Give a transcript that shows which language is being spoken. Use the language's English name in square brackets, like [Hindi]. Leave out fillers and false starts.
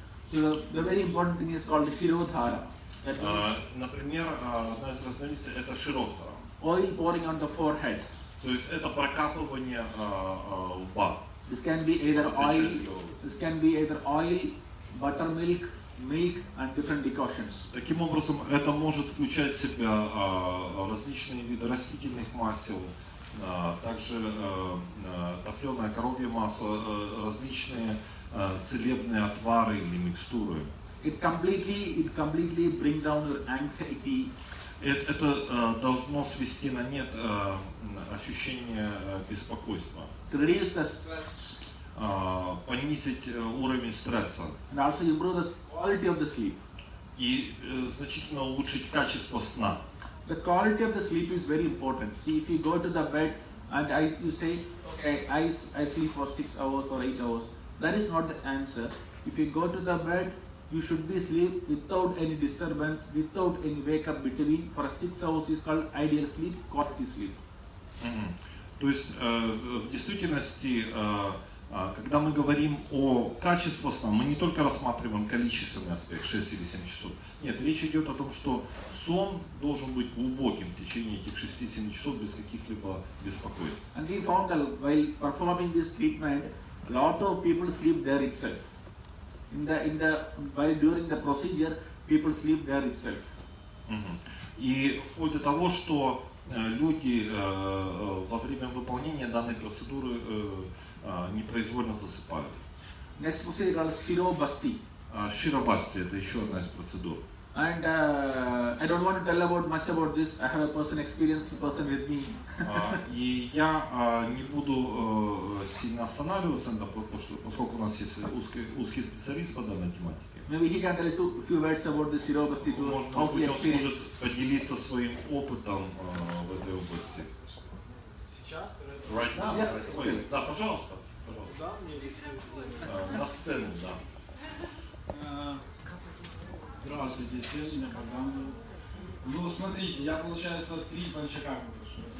[English] The very important thing is called shirodhara. [Russian] Например, одна из разновидностей это широдхара. [English] Oil pouring on the forehead. [Russian] То есть это прокапывание лба. [English] This can be either oil. This can be either oil, buttermilk. Milk and different decoctions. [Russian] Таким образом, это может включать в себя различные виды растительных масел, также топленое коровье масло, различные целебные отвары или микстуры. [English] It completely bring down your anxiety. [Russian] Это должно свести на нет ощущение беспокойства. [English] Reduce the stress. [Russian] Понизить уровень стресса. [English] And also improve the quality of the sleep. [Russian] И значительно улучшить качество сна. [English] The quality of the sleep is very important. See, if you go to the bed and you say, okay, I sleep for 6 hours or 8 hours, that is not the answer. If you go to the bed, you should be asleep without any disturbance, without any wake up between. For 6 hours is called ideal sleep, quality sleep. [Russian] То есть, в действительности, Когда мы говорим о качестве сна, мы не только рассматриваем количественный аспект, 6 или 7 часов. Нет, речь идет о том, что сон должен быть глубоким в течение этих 6-7 часов без каких-либо беспокойств. [English] And we found that while performing this treatment, a lot of people sleep there itself. During the procedure, people sleep there itself. [Russian] И в ходе того, что люди во время выполнения данной процедуры непроизвольно засыпают. [English] Next procedure called Shirobhasti. [Russian] Shirobhasti — это еще одна из процедур. [English] And I don't want to tell about much about this. I have a person experienced person with me. [Russian] И я не буду сильно останавливаться, поскольку у нас есть узкий специалист по данной тематике. [English] Maybe he can tell a few words about the Shirobhasti to us, how he experienced. [Russian] Может быть, он сможет поделиться своим опытом в этой области. Сейчас? [English] Right now? Yeah. [Russian] Да, пожалуйста. Да, мне есть. На сцену, да. Здравствуйте, Сергей Парганзов. Ну, смотрите, я, получается, три панчакармы прошу.